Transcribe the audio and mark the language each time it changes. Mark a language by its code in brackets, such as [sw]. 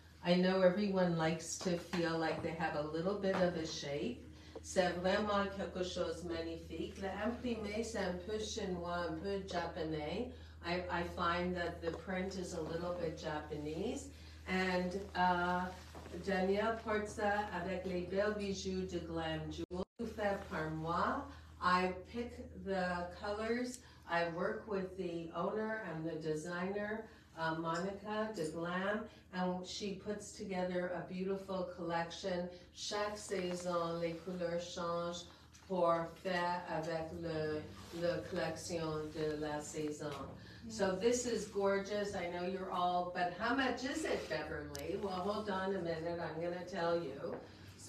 [en] I know everyone likes to feel like they have a little bit of a shape. [fr] C'est vraiment quelque chose magnifique. L'imprimé, c'est un peu chinois, un peu japonais. [en] I find that the print is a little bit Japanese. [fr] And Danielle porte ça avec les belles bijoux de Glam Jewel. Tout fait par moi. [en] I pick the colors. I work with the owner and the designer, Monica de Glam, and she puts together a beautiful collection. [fr] Chaque saison, les couleurs changent pour faire avec le collection de la saison. [en] Yes. So this is gorgeous. I know you're all, but how much is it, Beverly? Well, hold on a minute. I'm going to tell you. So